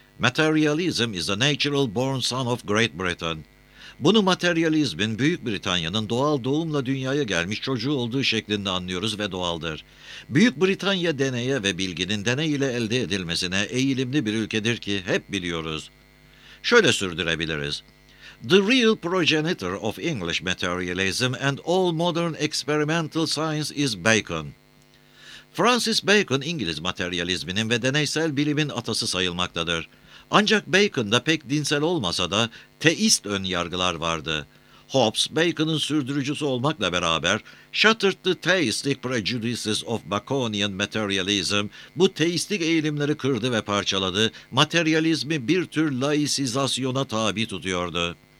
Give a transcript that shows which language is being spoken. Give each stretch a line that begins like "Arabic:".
English: Materialism is a natural born son of Great Britain.
Turkish: Bunu materyalizmin Büyük Britanya'nın doğal doğumla dünyaya gelmiş çocuğu olduğu şeklinde anlıyoruz ve doğaldır. Büyük Britanya deneye ve bilginin deney ile elde edilmesine eğilimli bir ülkedir ki hep biliyoruz. Şöyle sürdürebiliriz.
English: The real progenitor of English materialism and all modern experimental science is Bacon.
Turkish: Francis Bacon, İngiliz materyalizminin ve deneysel bilimin atası sayılmaktadır. Ancak Bacon'da pek dinsel olmasa da teist ön yargılar vardı. Hobbes, Bacon'ın sürdürücüsü olmakla beraber,
English: shattered the theistic prejudices of Baconian materialism,
Turkish: bu teistik eğilimleri kırdı ve parçaladı, materyalizmi bir tür laisizasyona tabi tutuyordu.